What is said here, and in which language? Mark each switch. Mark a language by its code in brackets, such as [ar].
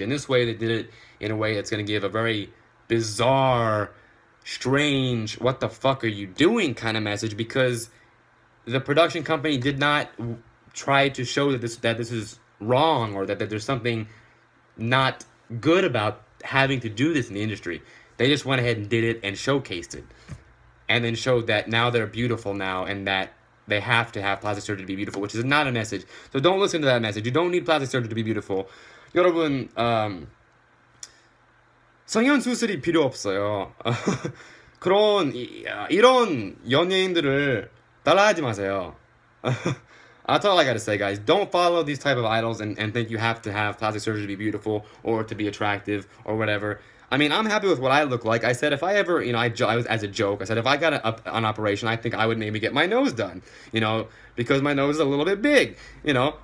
[en] In this way, they did it in a way that's going to give a very bizarre, strange, what the fuck are you doing kind of message, because the production company did not try to show that this is wrong or that there's something not good about having to do this in the industry. They just went ahead and did it and showcased it and then showed that now they're beautiful now and that they have to have plastic surgery to be beautiful, which is not a message. So don't listen to that message. You don't need plastic surgery to be beautiful. [ko] 여러분, 성형 수술이 필요 없어요. 그런 이런 연예인들을 따라하지 마세요. [en] That's all I gotta say, guys. Don't follow these type of idols and think you have to have plastic surgery to be beautiful or to be attractive or whatever. I mean, I'm happy with what I look like. I said if I ever, you know, I said if I got an operation, I think I would maybe get my nose done, you know, because my nose is a little bit big, you know.